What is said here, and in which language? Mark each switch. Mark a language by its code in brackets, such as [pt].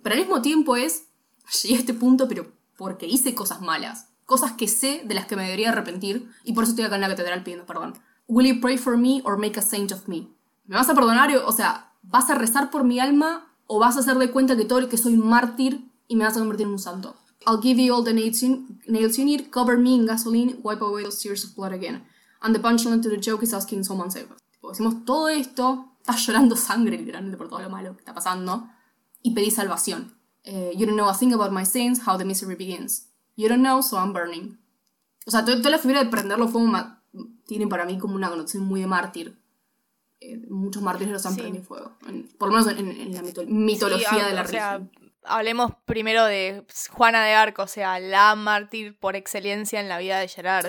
[es] Pero al mismo tiempo es, llegué a este punto, pero porque hice cosas malas. Cosas que sé, de las que me debería arrepentir, y por eso estoy acá en la catedral pidiendo perdón. [en] Will you pray for me or make a saint of me? [es] ¿Me vas a perdonar? O sea, ¿vas a rezar por mi alma o vas a hacer de cuenta que todo el que soy mártir y me vas a convertir en un santo? [en] I'll give you all the nails you need, cover me in gasoline, wipe away those tears of blood again. And the punchline to the joke is asking someone save us. [es] Tipo, decimos todo esto, estás llorando sangre literalmente por todo lo malo que está pasando. Y pedí salvación. [en] You don't know a thing about my sins, how the misery begins. You don't know, so I'm burning. [es] O sea, toda la figura de prenderlo fuego tiene para mí como una connotación muy de mártir. Muchos mártires los han prendido fuego. Por lo menos en la mitología de la religión. Hablemos primero de Juana de Arco, o sea, la mártir por excelencia en la vida de Gerard.